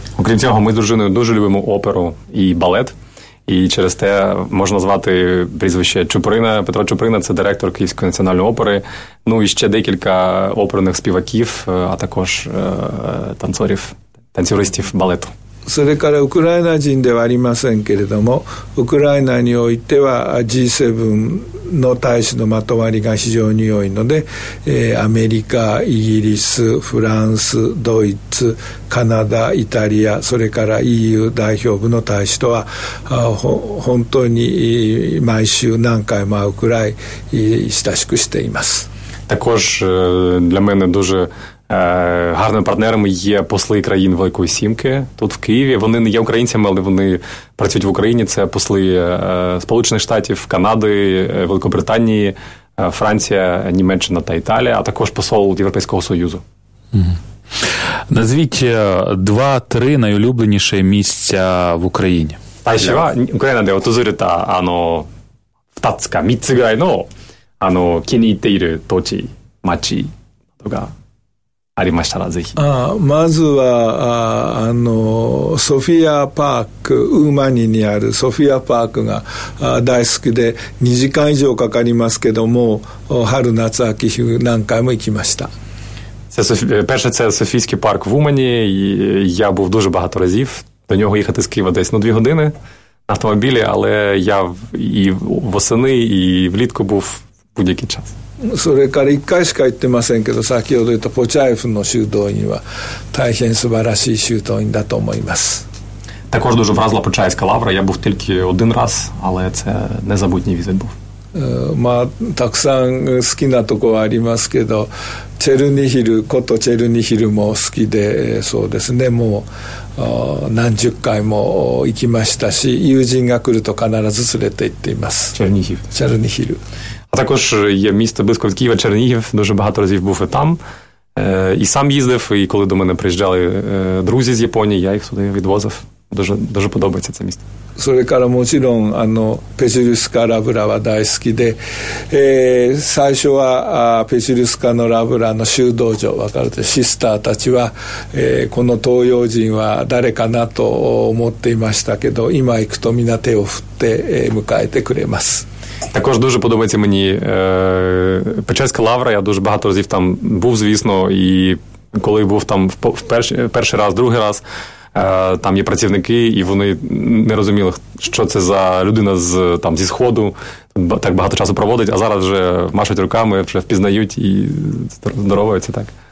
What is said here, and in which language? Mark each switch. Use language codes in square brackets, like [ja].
[uk] Окрім цього, ми з дружиною дуже любимо оперу і балет. І через те можна звати прізвище Чуприна. Петро Чуприна – це директор Київської національної опери. Ну і ще декілька оперних співаків, а також танцорів, танцюристів балету. [ja] それからウクライナ人ではありませんけれども、ウクライナにおいては G7 の大使のまとまりが非常に良いので、アメリカ、イギリス、フランス、ドイツ、カナダ、イタリア、それから EU 代表部の大使とは本当に毎週何回も会うくらい親しくしています。 [uk] також для мене дуже гарними партнерами є посли країн Великої Сімки тут в Києві. Вони не є українцями, але вони працюють в Україні. Це посли Сполучених Штатів, Канади, Великобританії, Франція, Німеччина та Італія, а також посол Європейського Союзу. Назвіть 2-3 найулюбленіші місця в Україні. А ще Україна, де отозорі та ано втацька, міцегай, ну, ано кінітири, точі, мачі, тога. [ja] ありましたらぜひ。まずはソフィアパーク、ウーマニにあるソフィアパークが大好きで、2時間以上かかりますけども、春夏秋冬何回も行きました。 [uk] перше це Софійський парк в Умані, я був дуже багато разів. До нього їхати з Києва десь 2 години на автомобілі, але я і восени, і влітку був будь-який час. [ja] それから1回しか行ってませんけど、先ほど言ったポチャエフの修道院は大変素晴らしい修道院だと思います。 [uk] також дуже вразила Почаївська лавра. Я був тільки один раз, але це незабутній візит був. [ja] まあたくさん好きなとこはありますけど、チェルニヒル、ことチェルニヒルも好きで、そうですね、もう何十回も行きましたし、友人が来ると必ず連れて行っています。チェルニヒル、チェルニヒル。 [uk] А також є місто близько від Києва, Чернігів. Дуже багато разів був і там. І сам їздив, і коли до мене приїжджали друзі з Японії, я їх сюди відвозив. Дуже, дуже подобається це місто. [ja] それからもちろん、ペジュルスカラブラは大好きで、最初はペジュルスカのラブラの修道場、分かるとシスターたちは、この東洋人は誰かなと思っていましたけど、今行くとみんな手を振って、迎えてくれます。 [uk] Також дуже подобається мені Печерська лавра. Я дуже багато разів там був, звісно, і коли був там перший раз, другий раз, там є працівники, і вони не розуміли, що це за людина з, там, зі Сходу, так багато часу проводить, а зараз вже машуть руками, вже впізнають і здоровуються так.